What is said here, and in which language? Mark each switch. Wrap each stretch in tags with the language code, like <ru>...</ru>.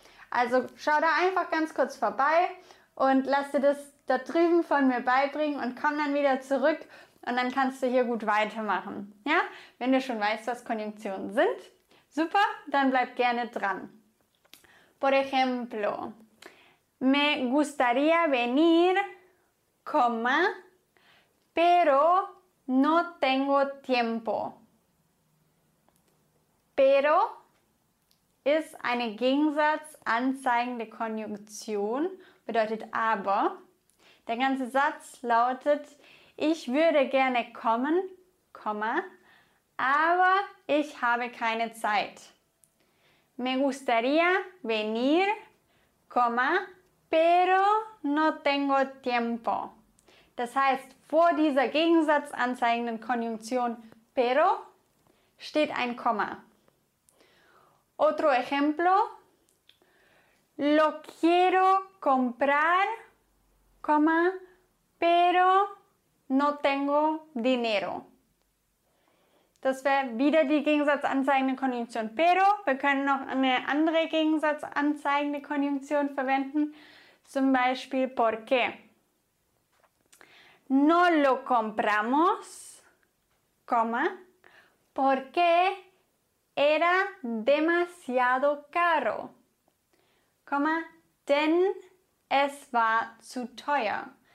<de>Also schau da einfach ganz kurz vorbei und lass dir das da drüben von mir beibringen und komm dann wieder zurück und dann kannst du hier gut weitermachen. Ja, wenn du schon weißt, was Konjunktionen sind, super, dann bleib gerne dran.</de> <es>Por ejemplo, me gustaría venir, coma, pero no tengo tiempo.</es> <de>Pero ist eine gegensatzanzeigende Konjunktion, bedeutet aber. Der ganze Satz lautet, ich würde gerne kommen, Komma, aber ich habe keine Zeit.</de> <es>Me gustaría venir, Komma, pero no tengo tiempo.</es> <de>Das heißt, vor dieser gegensatzanzeigenden Konjunktion pero steht ein Komma.</de> <es>Otro ejemplo, lo quiero comprar, coma, pero no tengo dinero.</es> <de>Das wäre wieder die gegensatzanzeigende Konjunktion pero. Wir können noch eine andere gegensatzanzeigende Konjunktion verwenden, zum Beispiel porque.</de> <es>No lo compramos, porque era demasiado caro,</es> <de>denn es war zu teuer.</de>